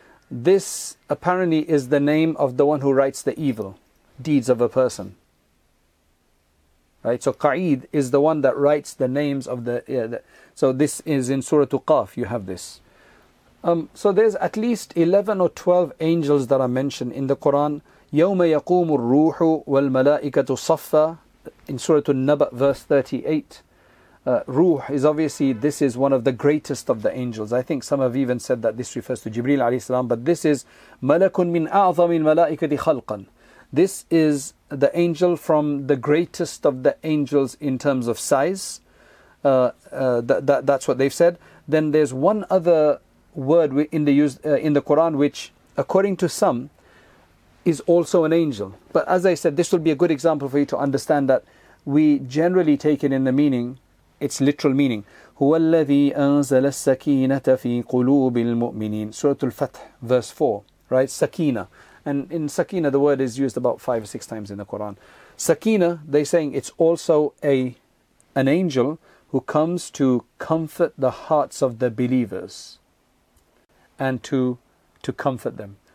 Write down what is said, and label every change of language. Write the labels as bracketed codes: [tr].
[en] This apparently is the name of the one who writes the evil deeds of a person. Right? So Qa'id is the one that writes the names of the... So this is in Surah Al-Qaf, you have this. So there's at least 11 or 12 angels that are mentioned in the Quran. [ar] يَوْمَ يَقُومُ الرُّوحُ وَالْمَلَائِكَةُ صَفَّى [en] in Surah Al-Naba, verse 38. Ruh is obviously, this is one of the greatest of the angels. I think some have even said that this refers to Jibreel alayhi salam, but this is [ar] Malakun min a'zamil malaikati khalqan. [en] This is the angel from the greatest of the angels in terms of size. That's what they've said. Then there's one other word in the Quran, which according to some is also an angel. But as I said, this will be a good example for you to understand that we generally take it in the meaning its literal meaning. [ar] هو الذي أنزل السكينة في قلوب المؤمنين. [en] Surah Al-Fath, verse 4, right? Sakina. And in Sakina, the word is used about 5 or 6 times in the Quran. Sakina, they're saying it's also an angel who comes to comfort the hearts of the believers and to comfort them.